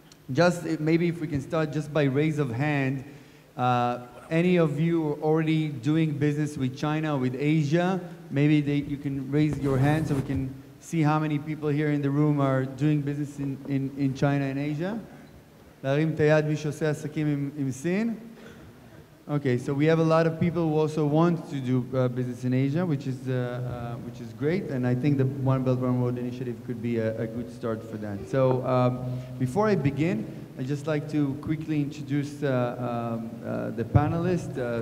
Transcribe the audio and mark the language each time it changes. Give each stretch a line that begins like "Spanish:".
English: Just maybe if we can start just by raise of hand, any of you are already doing business with China, with Asia, maybe you can raise your hand so we can see how many people here in the room are doing business in China and Asia.
Hebrew: להרים את היד מי שעושה עסקים עם סין.
English: Okay, so we have a lot of people who also want to do business in Asia, which is great, and I think the One Belt, One Road initiative could be a good start for that. So before I begin, I'd just like to quickly introduce the panelists.